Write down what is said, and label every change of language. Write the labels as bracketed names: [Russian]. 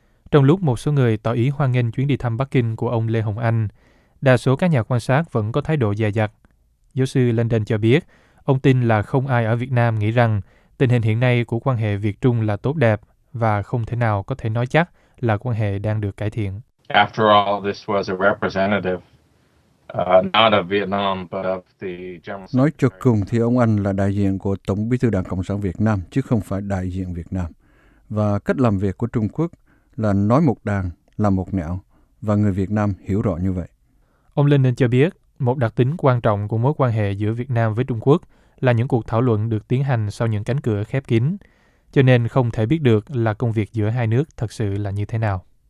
[Vietnamese] Trong lúc một số người tỏ ý hoan nghênh chuyến đi thăm Bắc Kinh của ông Lê Hồng Anh, đa số các nhà quan sát vẫn có thái độ dè dặt. Giáo sư London cho biết, ông tin là không ai ở Việt Nam nghĩ rằng tình hình hiện nay của quan hệ Việt-Trung là tốt đẹp và không thể nào có thể nói chắc là quan hệ đang được cải thiện. [English] After all, this was a representative, not of Vietnam, but of the General. [Vietnamese] Nói cho cùng thì ông Anh là đại diện của Tổng Bí thư Đảng Cộng sản Việt Nam, chứ không phải đại diện Việt Nam. Và cách làm việc của Trung Quốc là nói một đàng, làm một nẻo, và người Việt Nam hiểu rõ như vậy. Ông Lenin cho biết, một đặc tính quan trọng của mối quan hệ giữa Việt Nam với Trung Quốc là những cuộc thảo luận được tiến hành sau những cánh cửa khép kín, cho nên không thể biết được là công việc giữa hai nước thật sự là như thế nào.